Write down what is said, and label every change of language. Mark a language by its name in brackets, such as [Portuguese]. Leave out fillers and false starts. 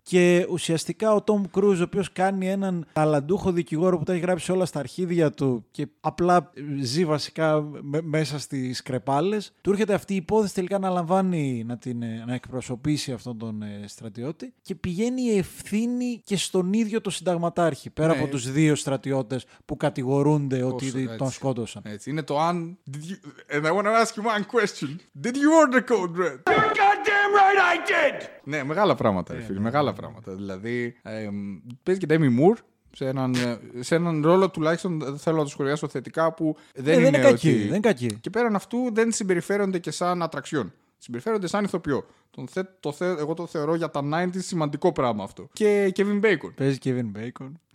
[Greek] Και ουσιαστικά ο Τόμ Κρούζ, ο οποίος κάνει έναν ταλαντούχο δικηγόρο που τα έχει γράψει όλα στα αρχίδια του και απλά ζει βασικά μέσα στις κρεπάλες, του έρχεται αυτή η υπόθεση τελικά να λαμβάνει να εκπροσωπήσει αυτόν τον στρατιώτη και πηγαίνει η ευθύνη και στον ίδιο τον συνταγματάρχη, πέρα από τους δύο στρατιώτες που κατηγορούνται ότι τον σκότωσαν. Έτσι. Είναι το αν. [English] And I want to ask you one question. Did you order code red? You're goddamn right I did! [Greek] Ναι, μεγάλα πράγματα, φίλοι. Yeah. Μεγάλα πράγματα. Δηλαδή, πες και Demi Moore. Σε έναν ρόλο τουλάχιστον θέλω να το σχολιάσω θετικά που δεν είναι κακή. Ότι... Δεν είναι κακή. Και πέραν αυτού δεν συμπεριφέρονται και σαν ατραξιόν. Συμπεριφέρονται σαν ηθοποιό. Εγώ το θεωρώ για τα 90 σημαντικό πράγμα αυτό. Και Kevin Bacon. Παίζει Kevin Bacon.